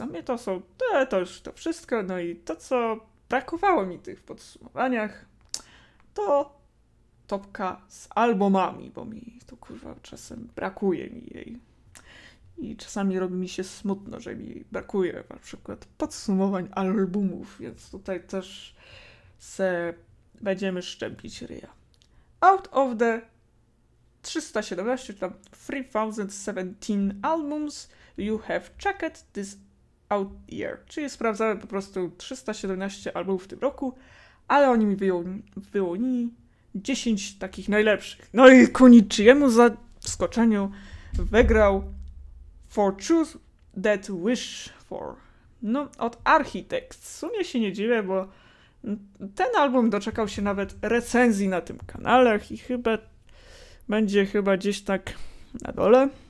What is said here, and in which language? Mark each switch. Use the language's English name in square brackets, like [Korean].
[Polish] A mnie to są, to już to wszystko. No i to, co brakowało mi tych podsumowaniach, to topka z albumami, bo mi to kurwa czasem brakuje mi jej. I czasami robi mi się smutno, że mi brakuje na przykład podsumowań albumów, więc tutaj też będziemy szczepić ryja. [English] Out of the 317, czy tam 3017 albums you have checked this out year. [Polish] Czyli sprawdzamy po prostu 317 albumów w tym roku, ale oni mi wyłonili 10 takich najlepszych. No i ku niczyjemu zaskoczeniu wygrał For Truth That Wish For. No, od Architects. W sumie się nie dziwię, bo ten album doczekał się nawet recenzji na tym kanale i chyba będzie chyba gdzieś tak na dole.